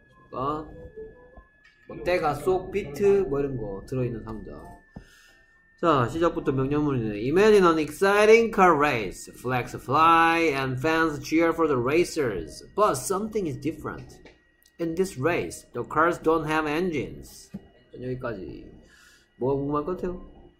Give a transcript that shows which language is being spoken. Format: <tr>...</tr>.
<ko>그러니까 뭐 때가 쏙 비트 뭐 이런 거 들어있는 상자. 자 시작부터 명령문이네.</ko> <en>Imagine an exciting car race. Flags fly and fans cheer for the racers. But something is different. In this race, the cars don't have engines.</en> <ko>여기까지 뭐가 궁금할 것 같아요?</ko>